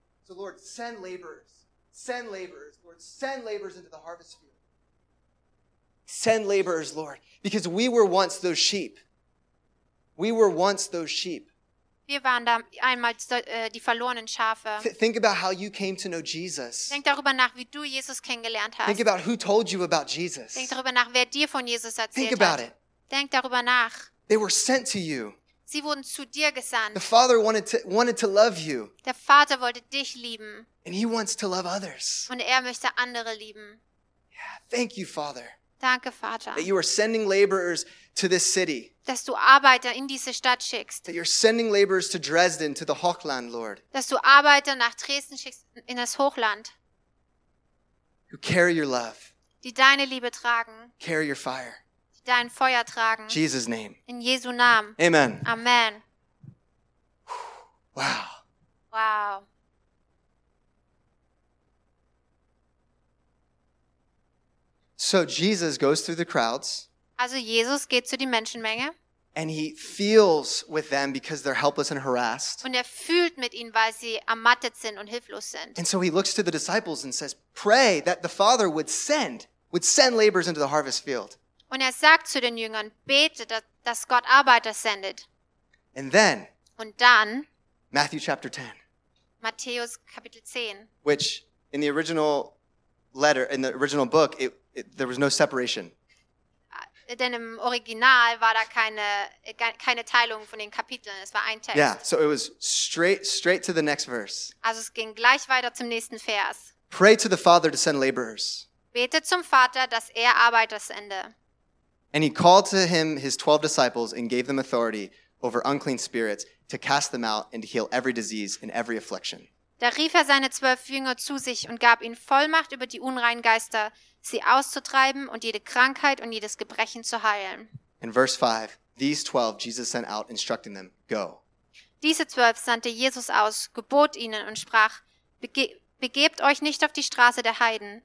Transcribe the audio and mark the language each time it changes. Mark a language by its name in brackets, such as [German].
[English] So, Lord, send laborers. Send laborers, Lord. Send laborers into the harvest field. Send laborers, Lord, because we were once those sheep. We were once those sheep. [German] Wir waren da einmal die verlorenen Schafe. [English] Think about how you came to know Jesus. [German] Denk darüber nach, wie du Jesus kennengelernt hast. [English] Think about who told you about Jesus. [German] Denk darüber nach, wer dir von Jesus erzählt hat. [English] Think about it. [German] Denk darüber nach. [English] They were sent to you. [German] Sie wurden zu dir gesandt. [English] The Father wanted to love you. [German] Der Vater wollte dich lieben. [English] And he wants to love others. [German] Und er möchte andere lieben. [English] Yeah, thank you, Father. [German] Danke, Vater. [English] That you are sending laborers to this city. [German] Dass du Arbeiter in diese Stadt schickst. [English] That you're sending laborers to Dresden, to the Hochland, Lord. [German] Dass du Arbeiter nach Dresden schickst, in das Hochland. [English] Who carry your love. [German] Die deine Liebe tragen. [English] Carry your fire. [German] Die dein Feuer tragen. [English] Jesus' name. [German] In Jesu Namen. [English] Amen. [German] Amen. [English] Wow. [German] Wow. [English] So Jesus goes through the crowds. [German] Also Jesus geht zu die Menschenmenge. [English] And he feels with them because they're helpless and harassed. [German] Und er fühlt mit ihnen, weil sie ermattet sind und hilflos sind. [English] And so he looks to the disciples and says, "Pray that the Father would send laborers into the harvest field." [German] Und er sagt zu den Jüngern, bete, dass Gott Arbeiter sendet. [English] And then. [German] Und dann. [English] Matthew chapter 10. [German] Matthäus Kapitel 10. [English] Which in the original letter, in the original book, it, there was no separation. [German] Denn im Original war da keine Teilung von den Kapiteln. Es war ein Text. [English] Yeah, so it was straight to the next verse. [German] Also es ging gleich weiter zum nächsten Vers. [English] Pray to the Father to send laborers. [German] Bete zum Vater, dass er Arbeiter sende. [English] And he called to him his 12 disciples and gave them authority over unclean spirits to cast them out and to heal every disease and every affliction. [German] Da rief er seine 12 Jünger zu sich und gab ihnen Vollmacht über die unreinen Geister, sie auszutreiben und jede Krankheit und jedes Gebrechen zu heilen. [English] In verse 5, these 12 Jesus sent out, instructing them, go. [German] Diese 12 sandte Jesus aus, gebot ihnen und sprach, begebt euch nicht auf die Straße der Heiden.